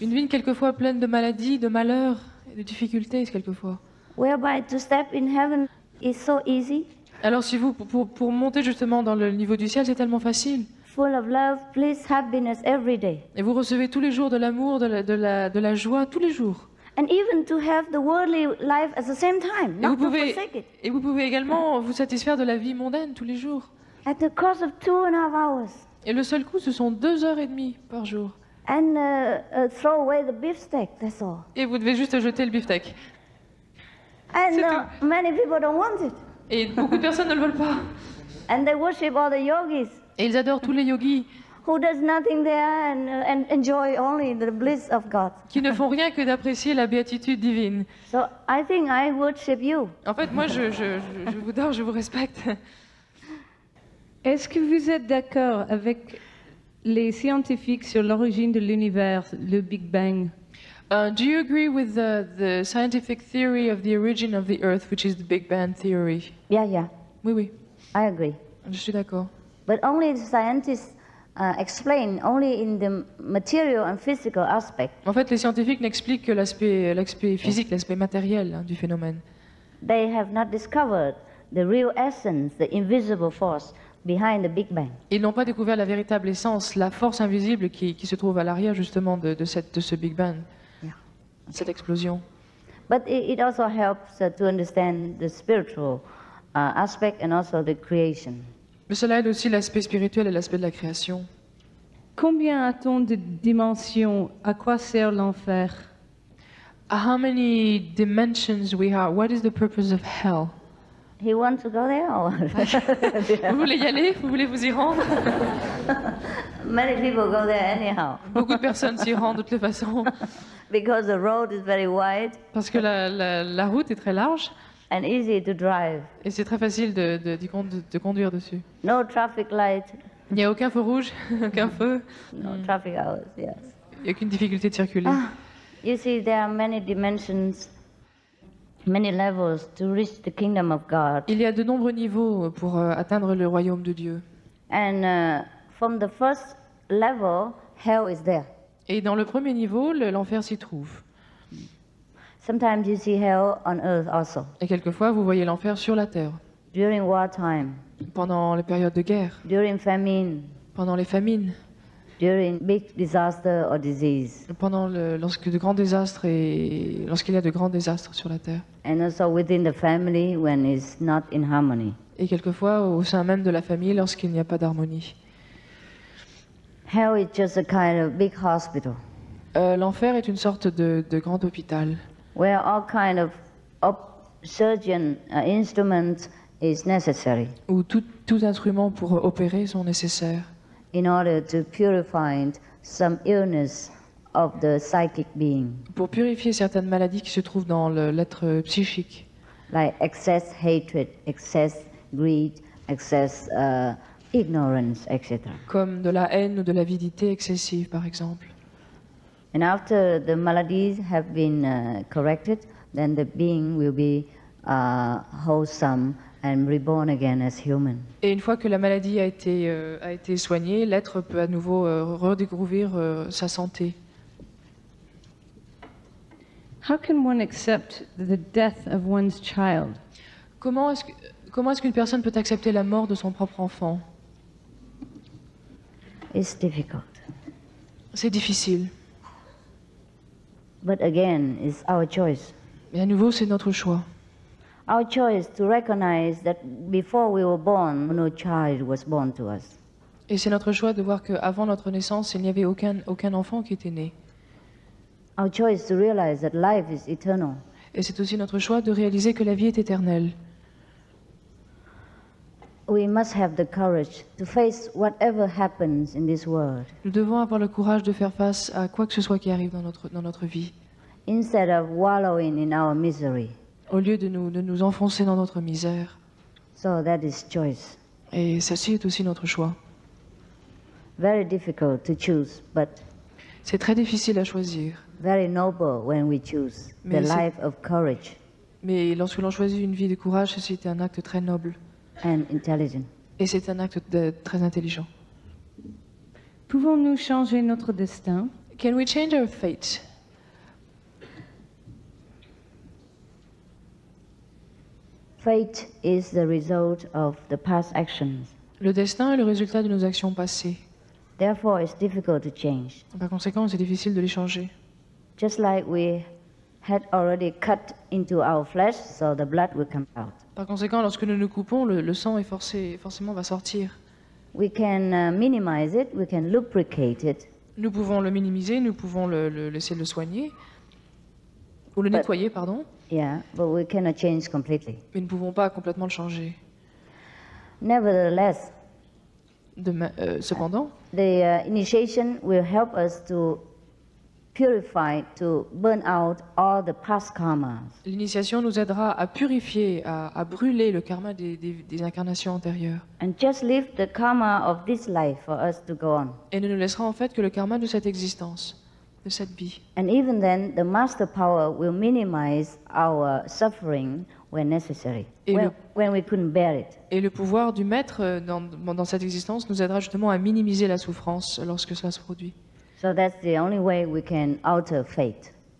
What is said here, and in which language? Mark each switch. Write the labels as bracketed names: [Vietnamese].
[French] Une vie quelquefois pleine de maladies, de malheurs, de difficultés quelquefois. [English] Whereby to step in heaven. It's so easy. [French] Alors si vous pour monter justement dans le niveau du ciel, c'est tellement facile. [English] Full of love, bliss, happiness every day. [French] Et vous recevez tous les jours de l'amour, de la joie tous les jours. [English] And even to have the worldly life at the same time, not to forsake it. [French] Et vous pouvez également vous satisfaire de la vie mondaine tous les jours. [English] At the cost of 2.5 hours. [French] Et le seul coût, ce sont 2 heures et demie par jour. [English] And throw away the beefsteak, that's all. [French] Et vous devez juste jeter le beefsteak. [English] And many people don't want it. [French] Et beaucoup de personnes ne le veulent pas. [English] And they worship all the yogis. [French] Et ils adorent tous les yogis. [English] Who does nothing there and enjoy only the bliss of God. [French] Qui ne font rien que d'apprécier la béatitude divine. [English] So I think I worship you. [French] En fait, moi, je vous adore, je vous respecte. Est-ce que vous êtes d'accord avec les scientifiques sur l'origine de l'univers, le Big Bang? [English] Do you agree with the scientific theory of the origin of the Earth, which is the Big Bang theory? Yeah. [French] Oui, oui. [English] I agree. [French] Je suis d'accord. [English] But only the scientists explain only in the material and physical aspect. [French] En fait, les scientifiques n'expliquent que l'aspect physique, l'aspect matériel hein, du phénomène. [English] They have not discovered the real essence, the invisible force behind the Big Bang. [French] Ils n'ont pas découvert la véritable essence, la force invisible qui se trouve à l'arrière justement de ce Big Bang. Cette explosion. [English] But it also helps to understand the spiritual aspect and also the creation. [French] Mais cela aide aussi l'aspect spirituel et l'aspect de la création. Combien a-t-on de dimensions? À quoi sert l'enfer? [English] How many dimensions we have? What is the purpose of hell? He wants to go there or? [French] Vous voulez y aller? Vous voulez vous y rendre? [English] Many people go there anyhow. [French] Beaucoup de personnes s'y rendent de toutes les façons. [English] Because the road is very wide. [French] Parce que la route est très large. [English] And easy to drive. [French] Et c'est très facile de conduire dessus. [English] No traffic light. [French] Il n'y a aucun feu rouge, aucun feu. [English] No traffic hours, yes. [French] Il n'y a aucune difficulté de circuler. [English] You see, there are many dimensions, many levels to reach the kingdom of God. [French] Il y a de nombreux niveaux pour atteindre le royaume de Dieu. [English] And from the first level, hell is there. [French] Et dans le premier niveau, l'enfer s'y trouve. [English] Sometimes you see hell on earth also. [French] Et quelquefois, vous voyez l'enfer sur la terre. [English] During war time. [French] Pendant les périodes de guerre. [English] During famine. [French] Pendant les famines. [English] During big disaster or disease. [French] Pendant lorsqu'il y a de grands désastres sur la terre. [English] And also within the family when it's not in harmony. [French] Et quelquefois, au sein même de la famille, lorsqu'il n'y a pas d'harmonie. [English] Hell is just a kind of big hospital. [French] L'enfer est une sorte de grand hôpital. [English] Where all kind of surgeon instruments is necessary. [French] Où tout instrument pour opérer sont nécessaires. [English] In order to purify some illness of the psychic being. [French] Pour purifier certaines maladies qui se trouvent dans l'être psychique. [English] Like excess hatred, excess greed, excess ignorance, etc. [French] Comme de la haine ou de l'avidité excessive, par exemple. [English] And after the maladies have been corrected, then the being will be wholesome and reborn again as human. [French] Et une fois que la maladie a été soignée, l'être peut à nouveau redécouvrir sa santé. [English] How can one accept the death of one's child? [French] Comment est-ce qu'une personne peut accepter la mort de son propre enfant? [English] It's difficult. [French] C'est difficile. [English] But again, it's our choice. [French] Mais à nouveau, c'est notre choix. [English] Our choice to recognize that before we were born, no child was born to us. [French] Et c'est notre choix de voir que avant notre naissance, il n'y avait aucun enfant qui était né. [English] Our choice to realize that life is eternal. [French] Et c'est aussi notre choix de réaliser que la vie est éternelle. [English] We must have the courage to face whatever happens in this world. [French] Nous devons avoir le courage de faire face à quoi que ce soit qui arrive dans notre vie. [English] Instead of wallowing in our misery. [French] Au lieu de nous enfoncer dans notre misère. [English] So that is choice. [French] Et ceci est aussi notre choix. [English] Very difficult to choose, but [French] c'est très difficile à choisir. [English] Very noble when we choose the life of courage. [French] Mais lorsque l'on choisit une vie de courage, ceci est un acte très noble. [English] And intelligent. [French] Et c'est un acte très intelligent. Pouvons-nous changer notre destin? [English] Can we change our fate? Fate is the result of the past actions. [French] Le destin est le résultat de nos actions passées. [English] Therefore, it's difficult to change. [French] Par conséquent, c'est difficile de les changer. [English] Just like we had already cut into our flesh, so the blood will come out. [French] Par conséquent, lorsque nous nous coupons, le sang est forcément va sortir. [English] We can minimize it, we can lubricate it. [French] Nous pouvons le minimiser, nous pouvons laisser le soigner ou le nettoyer, pardon. [English] Yeah, but we cannot change completely. [French] Mais nous ne pouvons pas complètement le changer. [English] Nevertheless, [French] cependant, [English] the initiation will help us to purify, to burn out all the past karmas. [French] L'initiation nous aidera à purifier, à brûler le karma des incarnations antérieures. [English] And just leave the karma of this life for us to go on. [French] Et ne nous laissera en fait que le karma de cette existence, de cette vie. [English] And even then, the master power will minimize our suffering when necessary. When we couldn't bear it. [French] Et le pouvoir du maître dans cette existence nous aidera justement à minimiser la souffrance lorsque cela se produit. [English] So that's the only way we can alter fate.